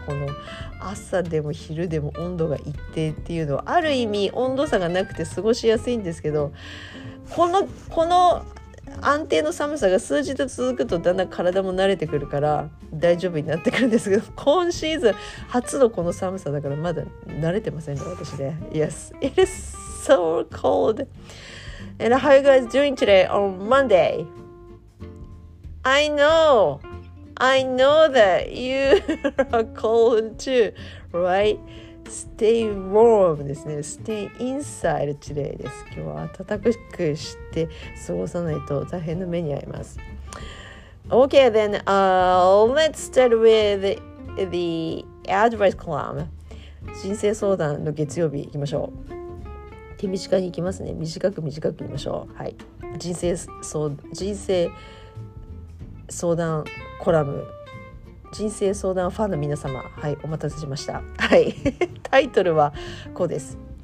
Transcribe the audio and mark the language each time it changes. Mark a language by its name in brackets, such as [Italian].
[Japanese] この朝でも昼でも温度が一定っていうのは、ある意味温度差がなくて過ごしやすいんですけど、この安定の寒さが数日続くとだんだん体も慣れてくるから大丈夫になってくるんですけど、今シーズン初のこの寒さだからまだ慣れてませんね、私ね。 [English] Yes, it is so cold. And how are you guys doing today on Monday? I know that you are cold too, right? Stay warm [Japanese] ですね。 [English] Stay inside today [Japanese] です。今日は暖かくして過ごさないと大変な目に遭います。 [English] Okay, then, let's start with the advice column. [Japanese] 人生相談の月曜日行きましょう。手短に行きますね。短く短く行きましょう。はい。人生相談コラム。人生相談ファンの皆様、はい、お待たせしました、はい、タイトルはこうです。